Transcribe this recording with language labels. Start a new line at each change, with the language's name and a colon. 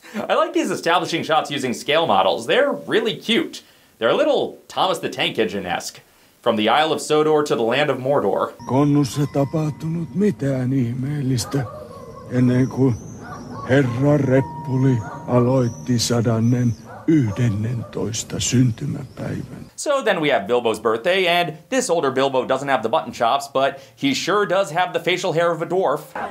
English: I like these establishing shots using scale models. They're really cute. They're a little Thomas the Tank Engine-esque. From the Isle of Sodor to the Land of Mordor.
Finnish: Konnussa tapahtunut mitään ihmeellistä ennen kuin Herra Reppuli aloitti 111. syntymäpäivän.
English: So then we have Bilbo's birthday, and this older Bilbo doesn't have the button chops, but he sure does have the facial hair of a dwarf.